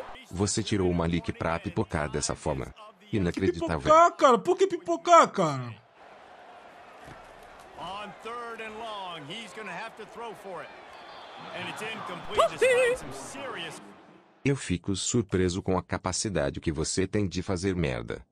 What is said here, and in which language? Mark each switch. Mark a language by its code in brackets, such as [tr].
[pt] Você tirou o Malik pra pipocar dessa forma. Inacreditável. Por que pipocar, cara? Por que pipocar, cara? [en] On third and long, he's gonna have to throw for it. And it's incomplete despite some serious... [pt] Eu fico surpreso com a capacidade que você tem de fazer merda.